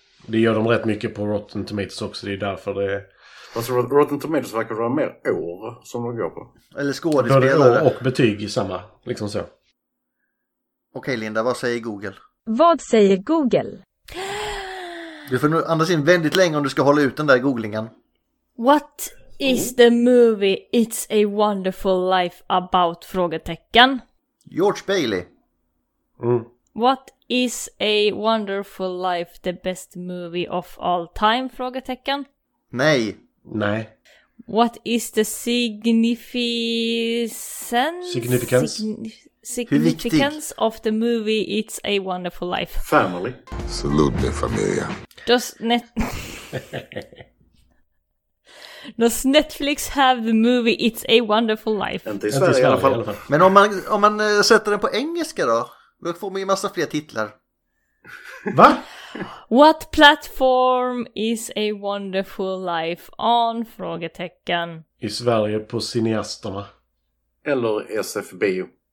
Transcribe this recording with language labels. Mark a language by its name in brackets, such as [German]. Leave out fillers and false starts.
[Swedish] Det gör de rätt mycket på Rotten Tomatoes också, det är därför det är... Alltså, Rotten Tomatoes verkar vara mer år som de går på. Eller skådespelare. Och betyg i samma, liksom så. Okej, Linda, vad säger Google? Vad säger Google? Du får andas in väldigt länge om du ska hålla ut den där googlingen. [English] What is the movie It's a Wonderful Life about? [Swedish] Frågetecken. George Bailey. Mm. [English] What is a Wonderful Life the best movie of all time? [Swedish] Frågetecken. Nej. Nej. [English] What is the significance of the movie It's a Wonderful Life? Family. [Spanish] Salud mi familia. [English] Does Netflix have the movie It's a Wonderful Life? [Swedish] Inte i Sverige i alla fall. Men om man sätter den på engelska då? Då får man ju massa fler titlar. Va? [English] What platform is a wonderful life on? [Swedish] Frågetecken. I Sverige på cineasterna. Eller SFB.